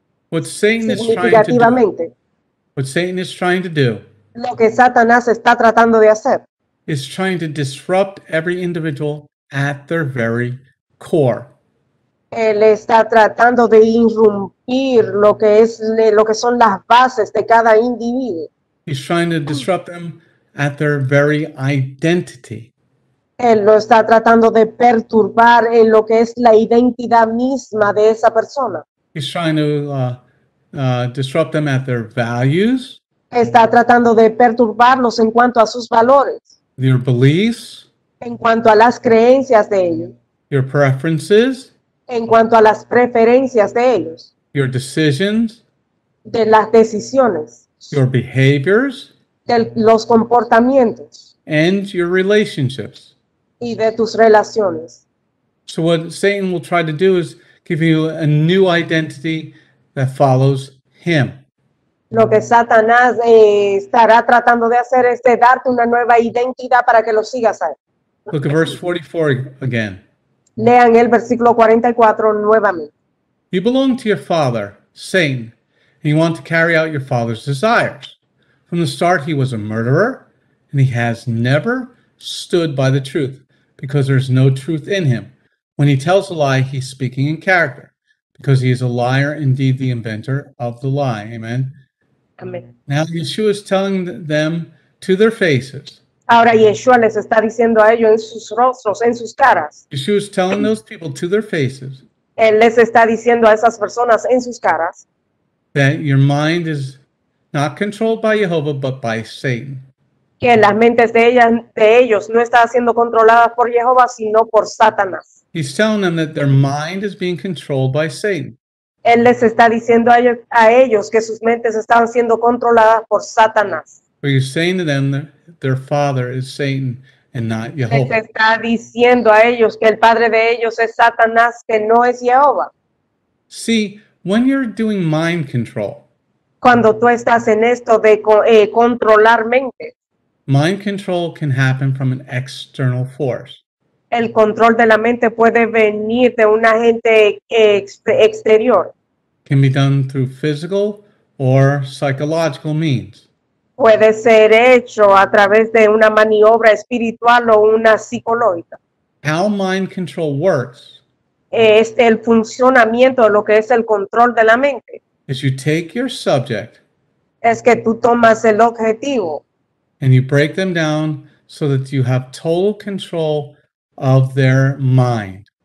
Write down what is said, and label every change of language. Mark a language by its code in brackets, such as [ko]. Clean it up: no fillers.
[en] What Satan is trying to do. What Satan is trying to do. [es] Lo que Satanás está tratando de hacer. [en] Is trying to disrupt every individual at their very core. [es] Él está tratando de irrumpir lo que son las bases de cada individuo. [en] He's trying to disrupt them at their very identity. [es] Él lo está tratando de perturbar en lo que es la identidad misma de esa persona. [en] He's trying to disrupt them at their values. [es] Está tratando de perturbarlos en cuanto a sus valores. [en] Their beliefs. [es] En cuanto a las creencias de ellos. [en] Their preferences. [es] En cuanto a las preferencias de ellos. [en] Your decisions. [es] De las decisiones. [en] Your behaviors. [es] De los comportamientos. [en] And your relationships. [es] Y de tus relaciones. [en] So what Satan will try to do is give you a new identity that follows him. [es] Lo que Satanás estará tratando de hacer es de darte una nueva identidad para que lo sigas a él. [en] Look at verse 44 again. [es] Lean el versículo 44 nuevamente. [en] You belong to your father, Satan, and you want to carry out your father's desires. From the start, he was a murderer, and he has never stood by the truth, because there's no truth in him. When he tells a lie, he's speaking in character, because he is a liar, indeed the inventor of the lie. Amen. Amen. Now Yeshua is telling them to their faces. [es] Ahora Yeshua les está diciendo a ellos en sus rostros, en sus caras. [en] Yeshua is telling those people to their faces. [es] Él les está diciendo a esas personas en sus caras. [en] That your mind is not controlled by Jehovah, but by Satan. [es] Que las mentes de ellos no está siendo controladas por Jehová, sino por Satanás. [en] He's telling them that their mind is being controlled by Satan. [es] Él les está diciendo a ellos que sus mentes están siendo controladas por Satanás. [en] Are you saying to them that their father is Satan and not Jehovah? [es] Les está diciendo a ellos que el padre de ellos es Satanás, que no es Jehová. [en] See, when you're doing mind control. [es] Cuando tú estás en esto de controlar mentes. [en] Mind control can happen from an external force. [es] El control de la mente puede venir de un agente exterior. [en] Can be done through physical or psychological means. [es] Puede ser hecho a través de una maniobra espiritual o una psicológica. [en] How mind control works. [es] El funcionamiento de lo que es el control de la mente. [en] Is you take your subject. [es] Es que tú tomas el objetivo. [en] And you break them down so that you have total control of their mind.